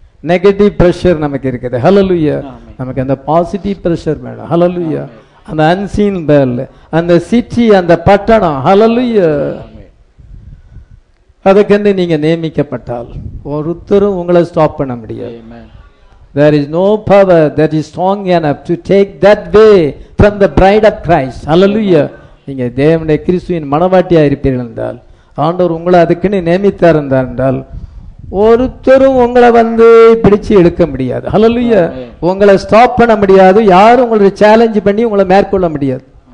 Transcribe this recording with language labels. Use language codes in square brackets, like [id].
[ta] Negative pressure நமக்கு இருக்குது. ஹல்லேலூயா. நமக்கு அந்த பாசிட்டிவ் ப்ரெஷர் வேணும். ஹல்லேலூயா. அந்த அன்சீன் பேர்ல, அந்த சிட்டி, அந்த பட்டணம், ஹல்லேலூயா. அதுக்கு நீங்க நியமிக்கப்பட்டால் ஒருத்தரும் உங்களை ஸ்டாப் பண்ண முடியாது. [en] There is no power that is strong enough to take that way from the bride of Christ. Hallelujah. [ta] நீங்க தேவனுடைய கிறிஸ்துவின் மனவாட்டியா இருப்பீர்கள் என்றால், ஆண்டவர் உங்களை அதுக்குன்னு நியமித்தார் என்றால், ஒருத்தரும் உங்களை வந்து பிடிச்சு எடுக்க முடியாது. ஹல்லேலூயா. உங்களை ஸ்டாப் பண்ண முடியாது, யாரும் உங்களை சேலஞ்சு பண்ணி உங்களை மேற்கொள்ள முடியாது.